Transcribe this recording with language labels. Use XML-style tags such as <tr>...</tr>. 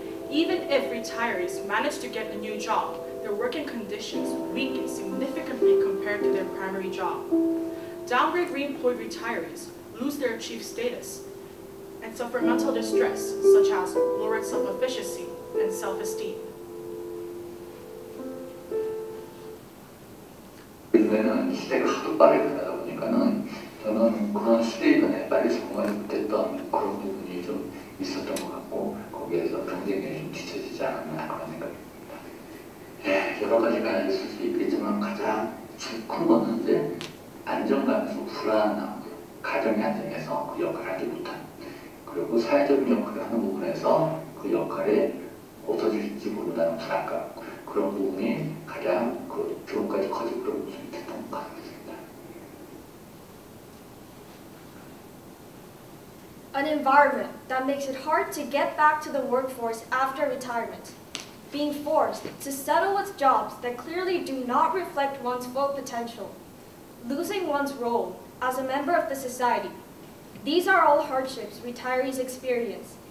<en>Even if retirees manage to get a new job, their working conditions weaken significantly compared to their primary job. Downgrade reemployed retirees lose their achieved status and suffer mental distress, such as lowered self-efficacy and self-esteem.</en> <ko>요즘에는 시대가 하도 빠르게 가다 보니까는 저는 그런 시대에 관해 빨리 성공했던 그런 부분이 좀 있었던 것 같고 거기에서 경쟁이 좀 뒤처지지 않았나 그런 생각입니다. 예, 여러 가지가 있을 수 있겠지만 가장 큰 것은 이제 안정감에서 불안함, 가정의 안정에서 그 역할을 하지 못한 그리고 사회적인 역할을 하는 부분에서 그 역할이 없어질지 모른다는 불안감 그런 부분이 가장 그 지금까지 커질 그런 모습이 됐던 것 같습니다.</ko> <en>An environment that makes it hard to get back to the workforce after retirement. Being forced to settle with jobs that clearly do not reflect one's full potential. Losing one's role as a member of the society. These are all hardships retirees experience.</en>